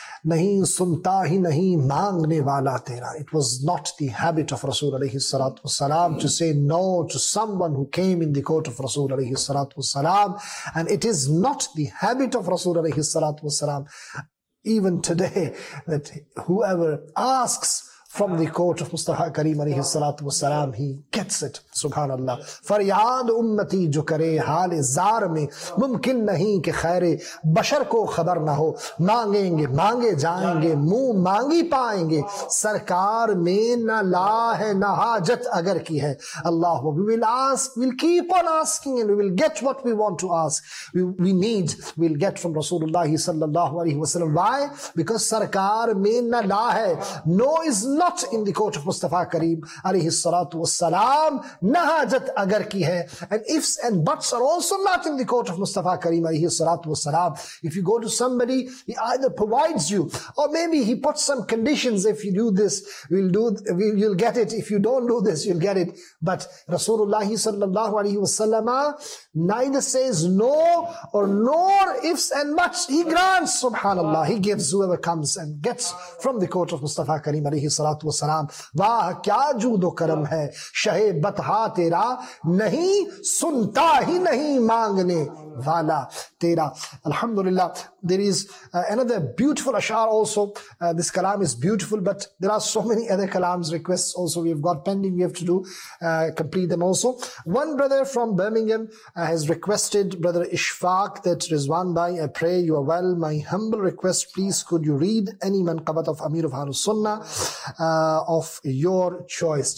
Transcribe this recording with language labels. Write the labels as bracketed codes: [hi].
[ur] نہیں سنتا ہی نہیں مانگنے والا تیرا. [en] It was not the habit of Rasul alayhi salatu wasalam to say no to someone who came in the court of Rasul alayhi salatu wasalam, and it is not the habit of Rasul alayhi salatu wasalam even today that whoever asks from the court of Mustafa Kareem alayhi salatu wasalam, he gets it. Subhanallah. [ur] فریاد امتی جو کرے حال زار میں ممکن نہیں کہ خیر بشر کو خبر نہ ہو. مانگیں گے مانگے جائیں گے منہ مانگی پائیں گے سرکار میں نہ لا ہے نہ حاجت اگر کی ہے. [en] Allah we will ask, we'll keep on asking and we will get what we want to ask. We need, we'll get from Rasulullah صلی اللہ علیہ وسلم. Why? Because [ur] سرکار میں نہ لا ہے. [en] No is not in the court of Mustafa Kareem alayhi salatu wassalam. [ur] Nahajat agar ki hai. [en] And ifs and buts are also not in the court of Mustafa Kareem alayhi salatu wassalam. If you go to somebody, he either provides you or maybe he puts some conditions. If you do this, you'll get it. If you don't do this, you'll get it. But Rasulullah sallallahu alayhi wasallam neither says no or nor ifs and buts. He grants, subhanallah. He gives whoever comes and gets from the court of Mustafa Kareem alayhi صلات و سلام. [ur] واہ کیا جود و کرم ہے شہِ بطحا تیرا نہیں سنتا ہی نہیں مانگنے والا تیرا. [en] الحمدللہ. There is another beautiful ashar also. This kalam is beautiful, but there are so many other kalams requests also we have got pending. We have to do complete them also. One brother from Birmingham has requested brother Ishfaq that Rizwan bhai, I pray you are well. My humble request, please could you read any manqabat of Amir of Ahlus Sunnah of your choice.